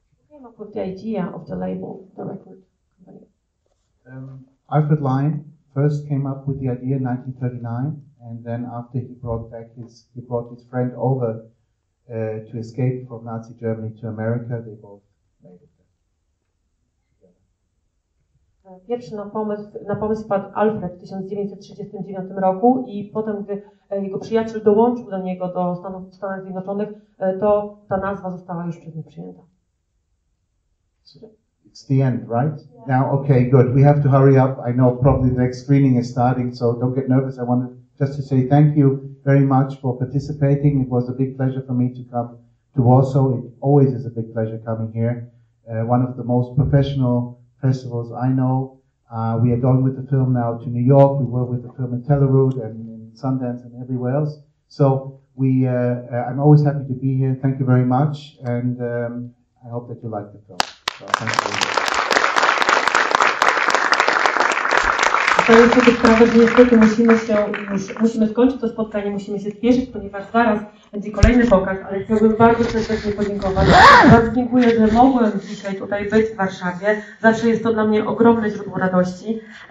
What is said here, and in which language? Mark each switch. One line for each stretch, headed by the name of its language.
English: Okay, I'll put the idea of the label, the record. Alfred Lion first came up with the idea in 1939, and then after he brought his friend over to escape from Nazi Germany to America, they both made it.
Polish: Pierwszy na pomysł wpadł Alfred w 1939 roku i potem, gdy jego przyjaciel dołączył do niego do Stanów Zjednoczonych, to ta nazwa została już przez nim przyjęta.
English: It's the end, right? Yeah. Now, okay, good. We have to hurry up. I know probably the next screening is starting, so don't get nervous. I wanted just to say thank you very much for participating. It was a big pleasure for me to come to Warsaw. It always is a big pleasure coming here. One of the most professional festivals I know. We are going with the film now to New York. We were with the film in Telluride and in Sundance and everywhere else. So I'm always happy to be here. Thank you very much. And I hope that you like the film. So thank you.
Polish: To jest taka sprawa, że niestety musimy skończyć to spotkanie, musimy się spieszyć, ponieważ zaraz będzie kolejny pokaz, ale chciałbym bardzo serdecznie podziękować. Bardzo dziękuję, że mogłem dzisiaj tutaj być w Warszawie. Zawsze jest to dla mnie ogromne źródło radości.